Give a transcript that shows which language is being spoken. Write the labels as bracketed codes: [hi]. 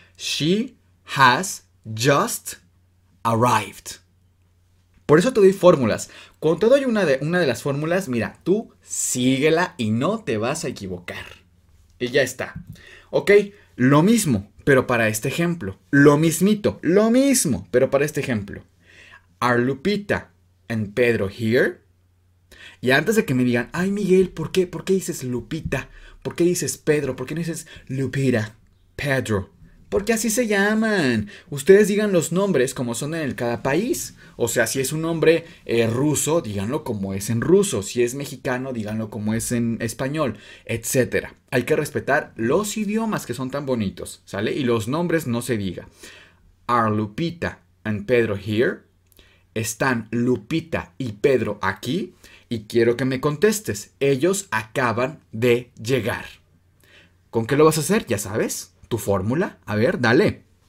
[en] She has just arrived. [es] Por eso te doy fórmulas. Cuando te doy una de las fórmulas, mira, tú síguela y no te vas a equivocar. Y ya está. Ok, lo mismo, pero para este ejemplo. Lo mismito, lo mismo, pero para este ejemplo. [en] Are Lupita and Pedro here? [es] Y antes de que me digan, ay Miguel, ¿por qué? ¿Por qué dices Lupita? ¿Por qué dices Pedro? ¿Por qué no dices Lupita? Pedro. Porque así se llaman. Ustedes digan los nombres como son en cada país. O sea, si es un nombre ruso, díganlo como es en ruso. Si es mexicano, díganlo como es en español, etc. Hay que respetar los idiomas que son tan bonitos, ¿sale? Y los nombres no se diga. [en] Are Lupita and Pedro here? [es] ¿Están Lupita y Pedro aquí? Y quiero que me contestes. Ellos acaban de llegar. ¿Con qué lo vas a hacer? Ya sabes. Tu fórmula. A ver, dale.